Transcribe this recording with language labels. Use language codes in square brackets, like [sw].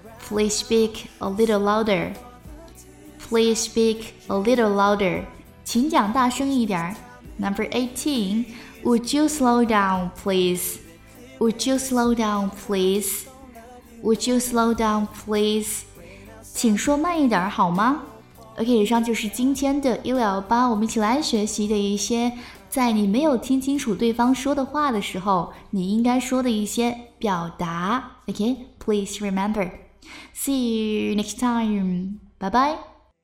[en] Please speak a little louder. Please speak a little louder. [zh] 请讲大声一点。 [en] Number 18, would you slow down, please? Would you slow down, please? Would you slow down, please? [zh] 请说慢一点好吗？ OK, 以上就是今天的168，我们一起来学习的一些在你没有听清楚对方说的话的时候，你应该说的一些表达。 [en] OK, please remember.See you next time. Bye-bye.